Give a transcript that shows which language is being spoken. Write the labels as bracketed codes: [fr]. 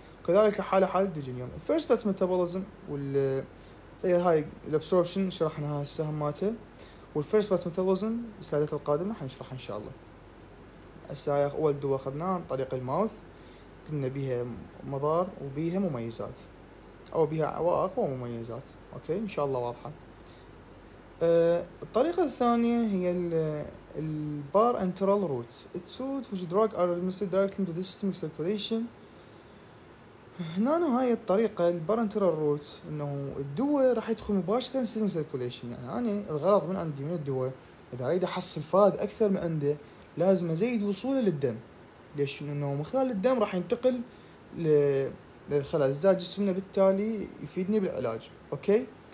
[ar] كذلك حالة حال الديجينيوم الفيرست بس ميتابوليزم، وال هي هاي الابسوربشن شرحناها هسه ماته، والفيرست بس ميتابوليزم السلايدات القادمة حنشرحها ان شاء الله. هسه هاي اول دواء اخذناه عن طريق الماوث، قلنا بيها مضار وبيها مميزات، او بيها عوائق ومميزات اوكي ان شاء الله واضحة. الطريقة الثانية هي البار انترال روت، [en] it's root which drug are administered directly into the systemic circulation. [ar] هنا هاي الطريقة البارنترال روت، انه الدواء راح يدخل مباشرة من سيستم سيركوليشن، يعني انا الغرض من عندي من الدواء اذا اريد احصل فائدة اكثر من عنده لازم ازيد وصوله للدم. ليش؟ انه من خلال الدم راح ينتقل للخلايا، زاد جسمنا بالتالي يفيدني بالعلاج اوكي.